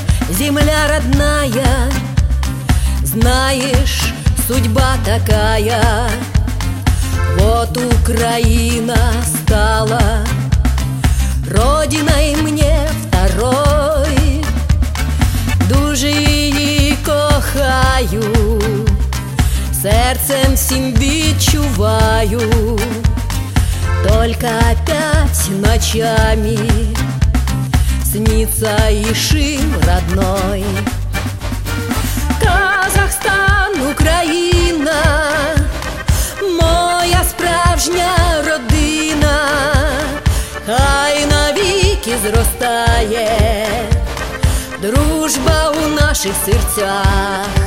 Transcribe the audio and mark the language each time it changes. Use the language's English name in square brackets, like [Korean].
[Russian] Земля родная, знаешь, судьба такая. Вот Украина стала родиной мне второй. [Ukrainian] Дуже її кохаю, серцем всім відчуваю. [Russian] Только опять ночами [Ukrainian] сніться [Russian] Ишим родной. [Ukrainian] Казахстан, Украина, моя справжня родина, хай навіки зростає дружба у наших серцях.